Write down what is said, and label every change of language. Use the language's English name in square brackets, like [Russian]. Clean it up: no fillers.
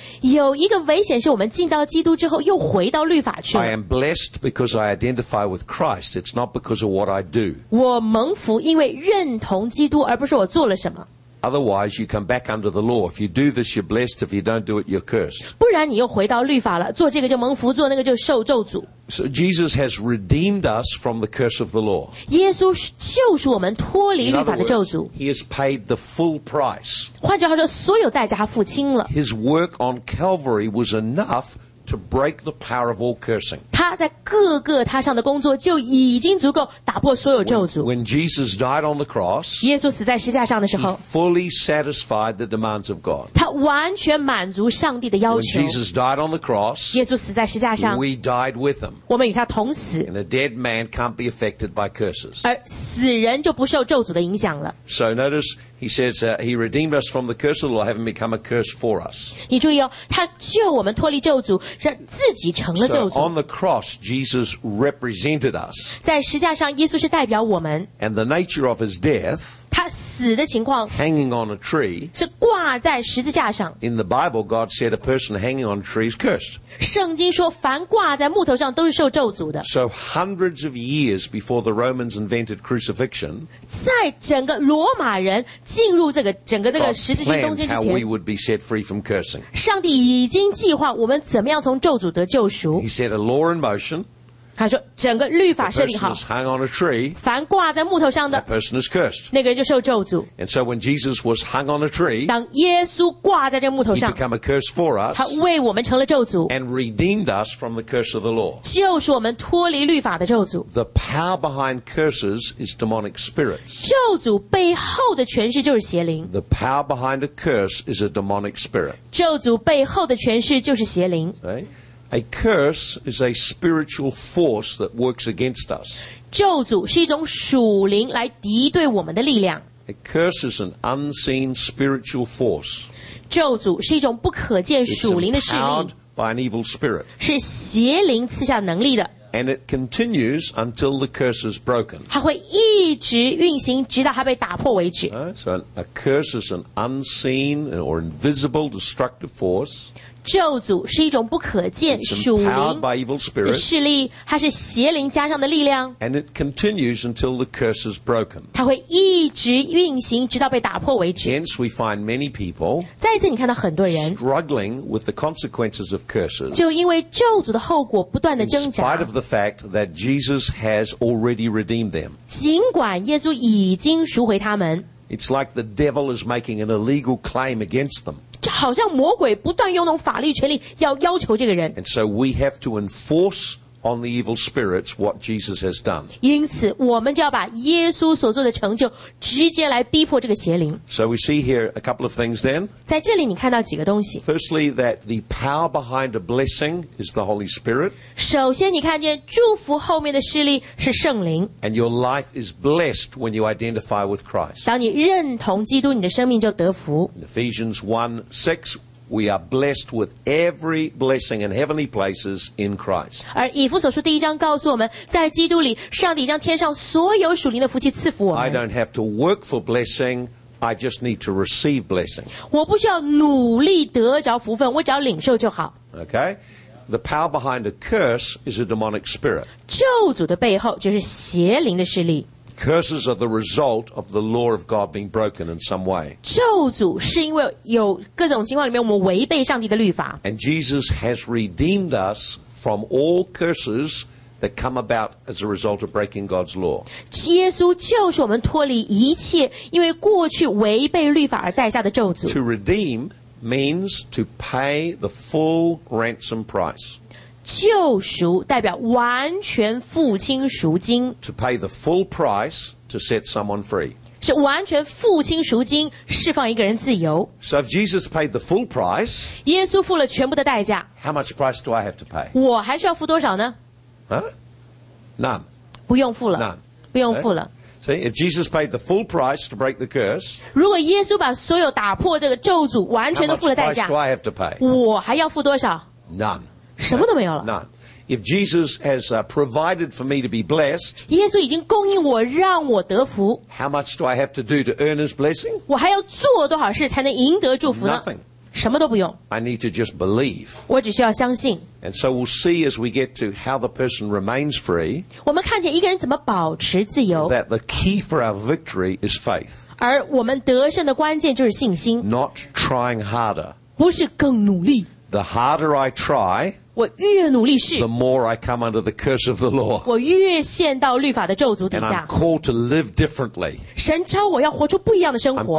[Chinese] 有一个危险是我们进到基督之后又回到律法去了。 [English] I am blessed because I identify with Christ. It's not because of what I do. [Chinese] 我蒙福因为认同基督而不是我做了什么。 [English] Otherwise, you come back under the law. If you do this, you're blessed. If you don't do it, you're cursed. [Chinese] 不然你又回到律法了，做这个就蒙福，做那个就受咒诅。 [English] So Jesus has redeemed us from the curse of the law. [Chinese] 耶稣救赎我们脱离律法的咒诅。 [English] He has paid the full price. [Chinese] 换句话说，所有代价他付清了。 [English] His work on Calvary was enough to break the power of all cursing. [Chinese] 他在各个他上的工作就已经足够打破所有咒诅。 [English] When Jesus died on the cross, [Chinese] 耶稣死在十字架上的时候， [English] He fully satisfied the demands of God. [Chinese] 他完全满足上帝的要求。 [English] When Jesus died on the cross, [Chinese] 耶稣死在十字架上， [English] We died with him. [Chinese] 我们与他同死。 [English] And a dead man can't be affected by curses. [Chinese] 而死人就不受咒诅的影响了。 [English] So notice, he says, he redeemed us from the curse of the law, having become a curse for us. [Chinese] 你注意哦，他救我们脱离咒诅，让自己成了咒诅。 [English] So on the cross, Jesus represented us. [Chinese] 在十字架上，耶稣是代表我们。 [English] And the nature of his death, [Chinese] 他死的情况 [English] hanging on a tree, [Chinese] 是挂在十字架上。 [English] In the Bible, God said a person hanging on a tree is cursed. [Chinese] 圣经说，凡挂在木头上都是受咒诅的。 [English] So hundreds of years before the Romans invented crucifixion, [Chinese] 在整个罗马人进入这个整个这个十字军东征之前， [English] God planned how we would be set free from cursing. [Chinese] 上帝已经计划我们怎么样从咒诅得救赎。 [English] He set a law in motion. [Chinese] 他说整个律法设定好。 [English] The person is hung on a tree, [Chinese] 凡挂在木头上的， [English] that person is cursed. [Chinese] 那个人就受咒诅。 [English] And so when Jesus was hung on a tree, [Chinese] 当耶稣挂在这木头上， [English] he became a curse for us, [Chinese] 他为我们成了咒诅， [English] and redeemed us from the curse of the law. [Chinese] 就是我们脱离律法的咒诅。 [English] The power behind curses is demonic spirits. [Chinese] 咒诅背后的权势就是邪灵。 [English] The power behind a curse is a demonic spirit. [Chinese] 咒诅背后的权势就是邪灵。 [English] Right? A curse is a spiritual force that works against us. [Chinese] 咒诅是一种属灵来敌对我们的力量。 [English] A curse is an unseen spiritual force. [Chinese] 咒诅是一种不可见属灵的势力。 [English] It's empowered by an evil spirit. [Chinese] 是邪灵赐下能力的。 [English] And it continues until the curse is broken. [Chinese] 它会一直运行，直到它被打破为止。 [English] So a curse is an unseen or invisible destructive force. [Chinese] 咒诅是一种不可见属灵势力，它是邪灵加上的力量。 [English] And it continues until the curse is broken. [Chinese] 它会一直运行，直到被打破为止。 [English] Hence, we find many people. [Chinese] 再一次，你看到很多人 [English] struggling with the consequences of curses. [Chinese] 就因为咒诅的后果不断的挣扎。 [English] In spite of the fact that Jesus has already redeemed them. [Chinese] 尽管耶稣已经赎回他们。 [English] It's like the devil is making an illegal claim against them. [Chinese] 好像魔鬼不断用那种法律权力要要求这个人。 [English] And so we have to enforce on the evil spirits what Jesus has done. [Chinese] 因此，我们就要把耶稣所做的成就直接来逼迫这个邪灵。 [English] So we see here a couple of things then. [Chinese] 在这里你看到几个东西。 [English] Firstly, that the power behind a blessing is the Holy Spirit. [Chinese] 首先你看见祝福后面的势力是圣灵。 [English] And your life is blessed when you identify with Christ. [Chinese] 当你认同基督，你的生命就得福。 [English] In Ephesians 1:6,We are blessed with every blessing in heavenly places in Christ. [Chinese] 而以弗所书第一章告诉我们，在基督里，上帝将天上所有属灵的福气赐福我们。 [English] I don't have to work for blessing, I just need to receive blessing. [Chinese] 我不需要努力得着福分，我只要领受就好。 [English] Okay? The power behind a curse is a demonic spirit. [Chinese] 咒诅的背后就是邪灵的势力。 [English] Curses are the result of the law of God being broken in some way. [Chinese] 咒诅是因为有各种情况里面我们违背上帝的律法。 [English] And Jesus has redeemed us from all curses that come about as a result of breaking God's law. [Chinese] 耶稣就是我们脱离一切因为过去违背律法而带下的咒诅。 [English] To redeem means to pay the full ransom price. [Chinese] 救赎代表完全付清赎金。 [English] To pay the full price to set someone free. [Chinese] 是完全付清赎金释放一个人自由。 [English] So if Jesus paid the full price, [Chinese] 耶稣付了全部的代价。 [English] How much price do I have to pay? [Chinese] 我还需要付多少呢? [English] Huh? None. [Chinese] 不用付了。 [English] None. [Chinese] 不用付了。 [English] See, if Jesus paid the full price to break the curse, [Chinese] 如果耶稣把所有打破这个咒诅完全都付了代价。 [English] How much price do I have to pay? [Chinese] 我还要付多少? [English] None. [Chinese] 什么都没有了。 [English] None. if Jesus has provided for me to be blessed, [Chinese] 耶稣已经供应我让我得福, [English] how much do I have to do to earn his blessing? [Chinese] 我还要做多少事才能赢得祝福呢? [English] Nothing. [Chinese] 什么都不用。 [English] I need to just believe. [Chinese] 我只需要相信。 [English] And so we'll see as we get to how the person remains free. [Chinese] 我们看见一个人怎么保持自由。 [English] That the key for our victory is faith. [Chinese] 而我们得胜的关键就是信心。 [English] Not trying harder. [Chinese] 不是更努力。 [English] The harder I try, [Chinese] 我越努力试。 [English] The more I come under the curse of the law. [Chinese] 我越陷到律法的咒诅底下。 [English] And I'm called to live differently. [Chinese] 神召我要活出不一样的生活。